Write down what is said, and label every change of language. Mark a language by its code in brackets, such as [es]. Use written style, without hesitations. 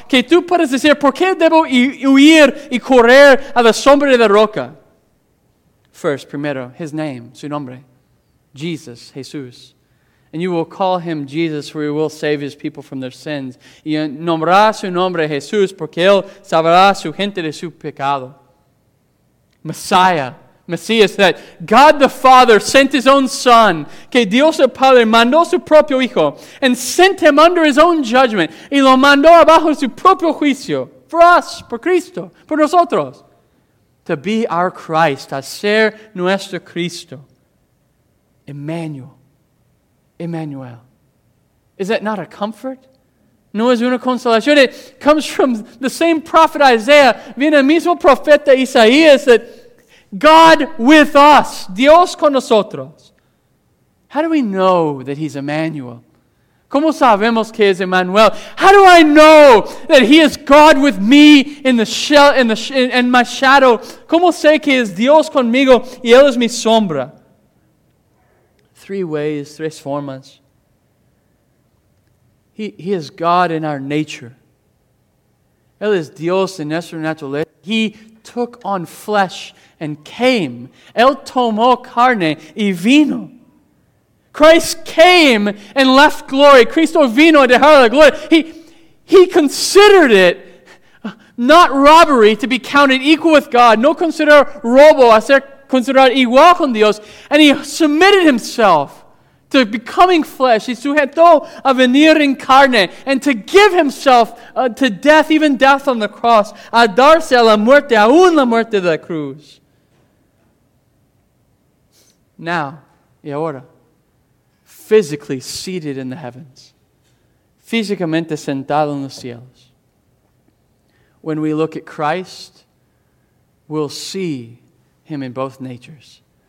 [es] Que tú puedes decir, ¿por qué debo huir y correr a la sombra de la roca? [en] First, [es] primero, [en] His name, [es] su nombre, [en] Jesus, Jesús. And you will call Him Jesus, for He will save His people from their sins. [es] Y nombrará su nombre Jesús, porque Él salvará su gente de su pecado. [en] Messiah. Messias, that God the Father sent His own Son, [es] que Dios el Padre mandó su propio Hijo, [en] and sent Him under His own judgment, [es] y lo mandó abajo su propio juicio, [en] for us, [es] por Cristo, por nosotros, [en] to be our Christ, [es] a ser nuestro Cristo. [en] Emmanuel, Emmanuel. Is that not a comfort? [es] No es una consolación. [en] It comes from the same prophet Isaiah, [es] viene el mismo profeta Isaías, [en] that God with us. [es] Dios con nosotros. [en] How do we know that He's Emmanuel? [es] ¿Cómo sabemos que es Emmanuel? [en] How do I know that He is God with me in the shell, in my shadow? [es] ¿Cómo sé que es Dios conmigo y Él es mi sombra? [en] Three ways, [es] tres formas. [en] He is God in our nature. [es] Él es Dios en nuestra naturaleza. [en] He took on flesh and came. [es] Él tomó carne y vino. [en] Christ came and left glory. [es] Cristo vino a dejar la gloria. [en] He considered it not robbery to be counted equal with God. [es] No consider robo a ser considerado igual con Dios. [en] And he submitted himself to becoming flesh. [es] Y sujetó a venir en carne. [en] And to give himself to death, even death on the cross. [es] A darse a la muerte, aún la muerte de la cruz. [en] Now, [es] y ahora. [en] Physically seated in the heavens. [es] Físicamente sentado en los cielos. [en] When we look at Christ, we'll see him in both natures.